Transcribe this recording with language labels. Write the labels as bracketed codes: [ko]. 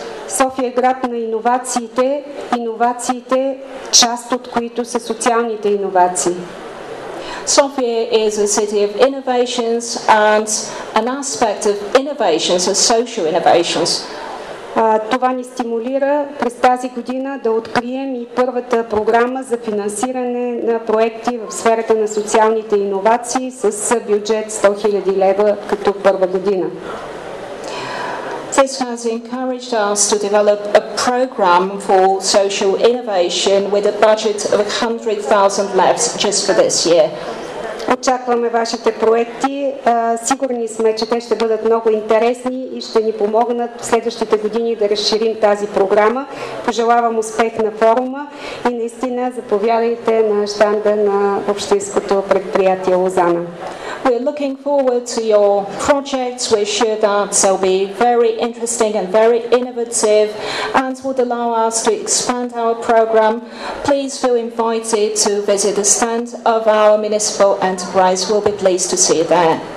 [bg] София е град на иновациите, иновациите, част от които са социалните иновации. [en] Sofia is a city of innovations, and an aspect of innovations are social innovations. [bg] Това ни стимулира през тази година да открием и първата програма за финансиране на проекти в сферата на социалните иновации с бюджет 100 000 лева като първа година. [en] This has encouraged us to develop a program for social innovation with a budget of 100,000 lev just for this year. [bg] Очакваме вашите проекти. Сигурни сме, че те ще бъдат много интересни и ще ни помогнат в следващите години да разширим тази програма. Пожелавам успех на форума и наистина заповядайте на щанда на общинското предприятие Лозана. [en] We're looking forward to your projects. We're sure that they'll be very interesting and very innovative and would allow us to expand our program. Please feel invited to visit the stand of our municipal enterprise. We'll be pleased to see you there.